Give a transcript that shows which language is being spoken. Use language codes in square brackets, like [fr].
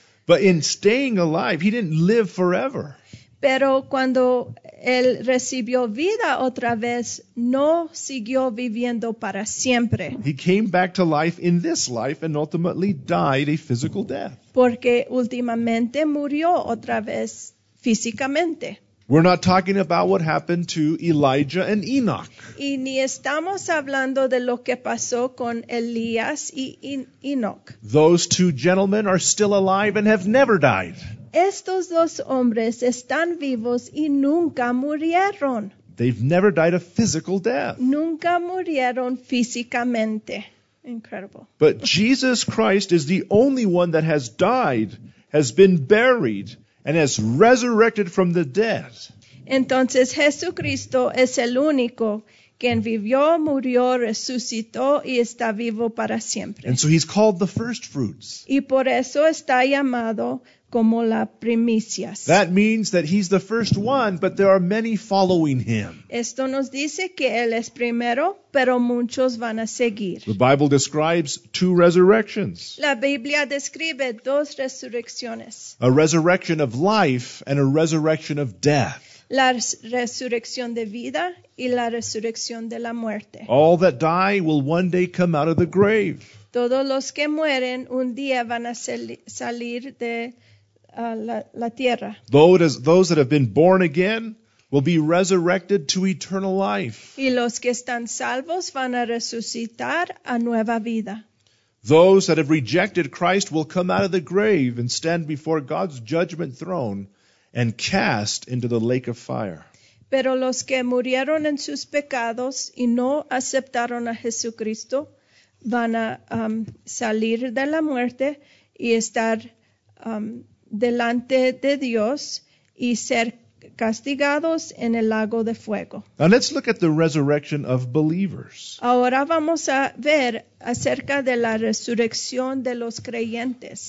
[en] But in staying alive, he didn't live forever. [es] Pero cuando él recibió vida otra vez, no siguió viviendo para siempre. [en] He came back to life in this life and ultimately died a physical death. [es] Porque últimamente murió otra vez físicamente. [en] We're not talking about what happened to Elijah and Enoch. [es] Y ni estamos hablando de lo que pasó con Elías y Enoch. [en] Those two gentlemen are still alive and have never died. [es] Estos dos hombres están vivos y nunca murieron. [en] They've never died a physical death. [es] Nunca murieron físicamente. [en] Incredible. But Jesus Christ is the only one that has died, has been buried, and has resurrected from the dead. [es] Entonces Jesucristo es el único quien vivió, murió, resucitó y está vivo para siempre. [en] And so he's called the first fruits. [es] Y por eso está llamado como la primicias. [en] That means that he's the first one, but there are many following him. [es] Esto nos dice que él es primero, pero muchos van a seguir. [en] The Bible describes two resurrections. [es] La Biblia describe dos resurrecciones. [en] A resurrection of life and a resurrection of death. [es] La resurrección de vida y la resurrección de la muerte. [en] All that die will one day come out of the grave. [es] Todos los que mueren un día van a salir de la tierra. [en] Those that have been born again will be resurrected to eternal life. [es] Y los que están salvos van a resucitar a nueva vida. [en] Those that have rejected Christ will come out of the grave and stand before God's judgment throne and cast into the lake of fire. [es] Pero los que murieron en sus pecados y no aceptaron a Jesucristo van a salir de la muerte y estar delante de Dios y ser castigados en el lago de fuego. [en] Now let's look at the resurrection of believers. [es] Ahora vamos a ver acerca de la resurrección de los creyentes.